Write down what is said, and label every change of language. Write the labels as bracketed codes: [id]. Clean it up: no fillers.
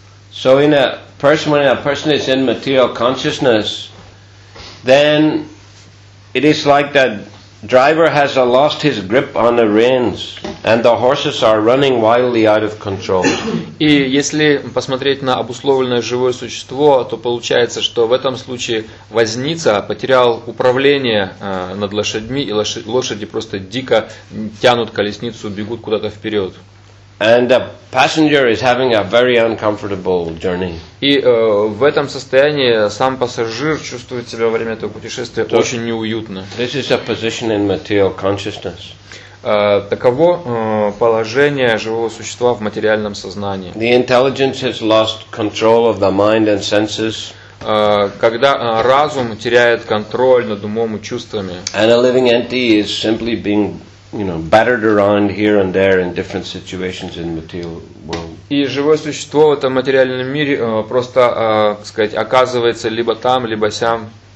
[en] So in a person, when a person is in material consciousness, then it is like that driver has lost his grip on the reins, and the horses are running wildly out of control. [ru] И если посмотреть на обусловленное живое существо, то получается, что в этом случае возница потерял управление над лошадьми, и лошади просто дико тянут колесницу, бегут куда-то вперед. [en] And the passenger is having a very uncomfortable journey. [ru] И в этом состоянии сам пассажир чувствует себя во время этого путешествия очень неуютно. [en] This is a position in material consciousness. [ru] Таково положение живого существа в материальном сознании. [en] The intelligence has lost control of the mind and senses. [ru] Когда разум теряет контроль над умом и чувствами. [en] And a living entity is simply being, you know, battered around here and there in different situations in the material world. [ru] И живое существо в этом материальном мире просто, сказать, оказывается либо там, либо сям.